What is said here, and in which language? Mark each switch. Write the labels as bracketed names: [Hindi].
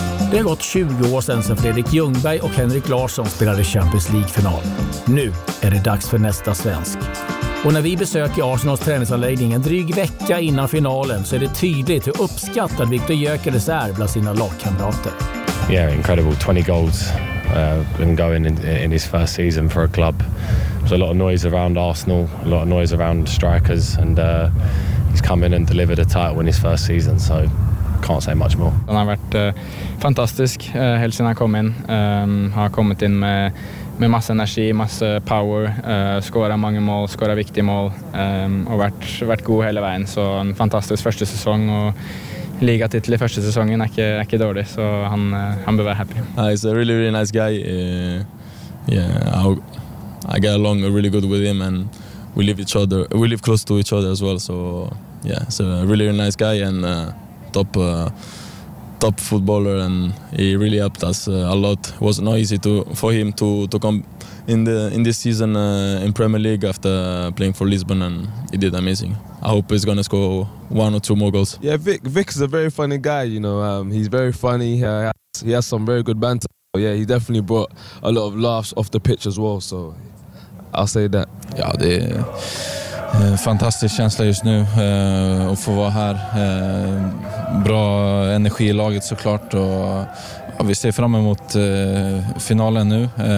[Swedish] Det har gått 20 år sedan Fredrik Ljungberg och Henrik Larsson spelade Champions League-final. Nu är det dags för nästa svensk. Och när vi besöker Arsenals träningsanläggning en dryg vecka innan finalen så är det tydligt hur uppskattad Viktor Gyökeres är bland sina lagkamrater. [English] Yeah, incredible. 20 goals. And going in his first season for a club, there's a lot of noise around Arsenal, a lot of noise around strikers, and he's come in and delivered a title in his first season, so can't say much more. [Swedish] Han har varit fantastisk helt sedan han kom in. Har kommit in med massa energi, massa power, skårat många mål, skårat viktiga mål, och varit god hela vägen. Så en fantastisk första säsong. Och ligatitel i första säsongen är inte dålig, så han behöver vara happy. [English] He's a really really nice guy. I get along really good with him and we live close to each other as well, so yeah, he's a really really nice guy and top footballer and he really helped us a lot. It was not easy for him to come in this season in Premier League after playing for Lisbon and he did amazing. I hope he's gonna score one or two more goals. Yeah, Vic is a very funny guy, you know. He's very funny. He has some very good banter. But yeah, he definitely brought a lot of laughs off the pitch as well, so I'll say that. [Swedish] Ja, det är fantastisk känsla just nu att få vara här. Bra energi i laget såklart och ja, vi ser fram emot finalen nu.